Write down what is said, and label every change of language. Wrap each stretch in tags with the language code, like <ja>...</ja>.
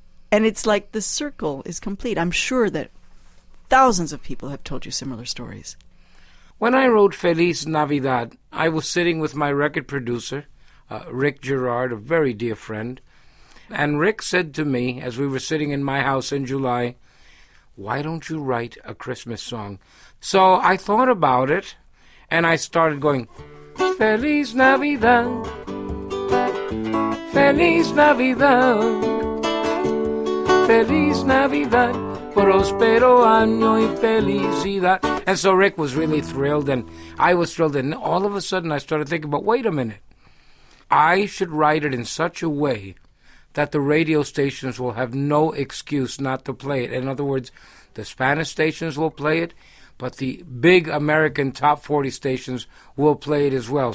<en>And it's like the circle is complete. I'm sure that thousands of people have told you similar stories. When I wrote Feliz Navidad, I was sitting with my record producer, Rick Gerard, a very dear friend. And Rick said to me, as we were sitting in my house in July, "Why don't you write a Christmas song?" So I thought about it. And I started going,</en> <es>Feliz Navidad, Feliz Navidad, Feliz Navidad, Prospero año y felicidad.</es> <en>And so Rick was really thrilled, and I was thrilled. And all of a sudden, I started thinking, but wait a minute. I should write it in such a way that the radio stations will have no excuse not to play it. In other words, the Spanish stations will play it, but the big American top 40 stations will play it as well.</en>